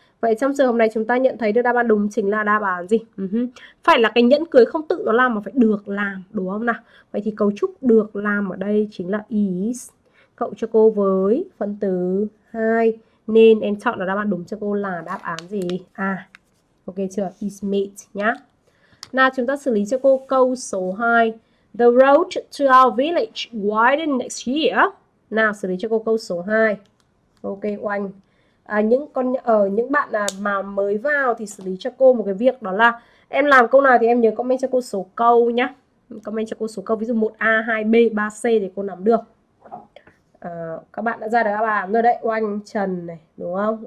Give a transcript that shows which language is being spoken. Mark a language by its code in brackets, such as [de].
[vi] Vậy trong trường hợp này chúng ta nhận thấy được đáp án đúng chính là đáp án gì? Phải là cái nhẫn cưới không tự nó làm mà phải được làm, đúng không nào? Vậy thì cấu trúc được làm ở đây chính là is cộng cho cô với phần từ 2. Nên em chọn là đáp án đúng cho cô là đáp án gì? À, ok chưa? [en] Is made [vi] nhá. Nào chúng ta xử lý cho cô câu số 2. [en] The road to our village widened next year. [vi] Nào xử lý cho cô câu số 2. Ok Oanh. À, những bạn mà mới vào thì xử lý cho cô một cái việc đó là em làm câu nào thì em nhớ comment cho cô số câu nhá. Comment cho cô số câu ví dụ 1A, 2B, 3C để cô nắm được. À, các bạn đã ra được đáp án rồi đấy, Oanh, Trần này, đúng không?